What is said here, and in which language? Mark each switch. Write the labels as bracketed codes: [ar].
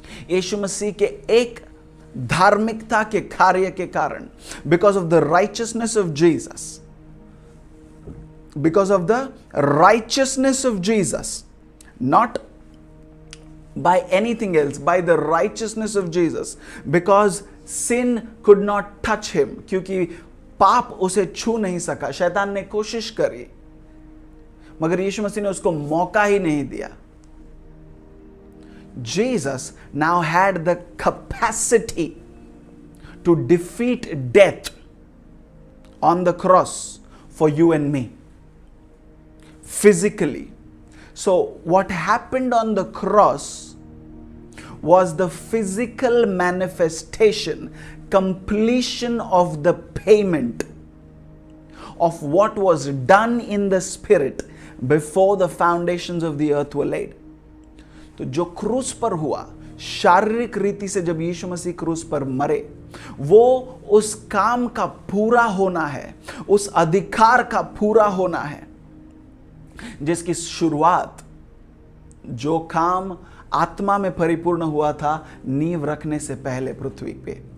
[hi] यीशु मसीह के एक धार्मिकता के कार्य के कारण, [en] because of the righteousness of Jesus, not by anything else, by the righteousness of Jesus, because sin could not touch him, [hi] क्योंकि पाप उसे छू नहीं सका, शैतान ने कोशिश करी मगर यीशु मसीह ने उसको मौका ही नहीं दिया। [en] Jesus now had the capacity to defeat death on the cross for you and me physically. So what happened on the cross was the physical manifestation, completion of the payment of what was done in the spirit before the foundations of the earth were laid. [hi] तो जो क्रूस पर हुआ, शारीरिक रीति से जब यीशु मसीह क्रूस पर मरे, वो उस काम का पूरा होना है, उस अधिकार का पूरा होना है जिसकी शुरुआत, जो काम आत्मा में परिपूर्ण हुआ था नींव रखने से पहले पृथ्वी पे।